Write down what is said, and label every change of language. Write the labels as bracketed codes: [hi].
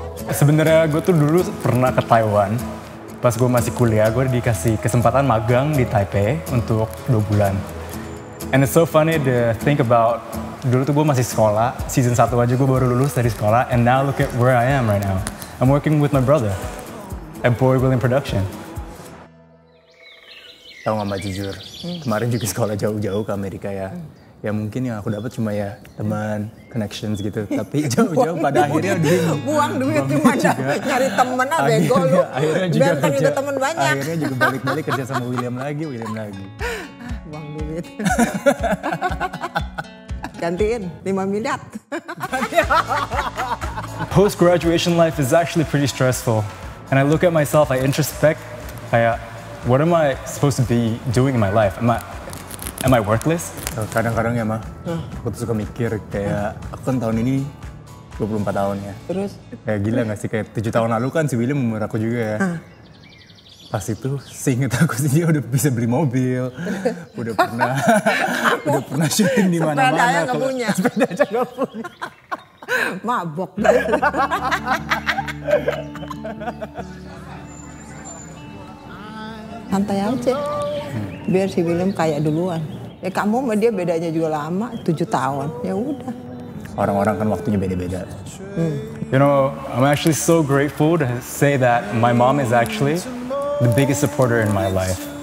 [id] Sebenarnya gue tuh dulu pernah ke Taiwan. Pas gue masih kuliah, gue dikasih kesempatan magang di Taipei untuk 2 bulan. [en] And it's so funny to think about, [id] dulu tuh gue masih sekolah, season 1 aja gue baru lulus dari sekolah, [en] and now look at where I am right now. I'm working with my brother at Boy William Production. [id] Tau gak, Mbak, jujur, kemarin juga sekolah jauh-jauh ke Amerika ya. Ya mungkin yang aku dapat cuma ya teman, connections gitu. Tapi jauh-jauh pada akhirnya dia buang duit cuma nyari teman aja bego lu. Akhirnya juga ada teman banyak. Akhirnya juga balik-balik kerja sama William lagi. Buang duit. Gantiin 5 miliar. [en] Post graduation life is actually pretty stressful. And I look at myself, I introspect, kayak what am I supposed to be doing in my life? Am I worthless? [id] Kadang-kadang ya, Ma. Aku tuh suka mikir kayak, aku kan tahun ini 24 tahun ya. Terus? Kayak gila gak sih? Kayak 7 tahun lalu kan si William umur aku juga ya. Pas itu, seinget aku sih dia udah bisa beli mobil. Udah pernah udah pernah syuting di mana-mana. Sepeda aja gak punya. Sepeda aja gak punya. Mabok. Santai aja. Biar si William kayak duluan. Ya kamu sama dia bedanya juga lama, 7 tahun. Ya udah. Orang-orang kan waktunya beda-beda. [en] You know, I'm actually so grateful to say that my mom is actually the biggest supporter in my life.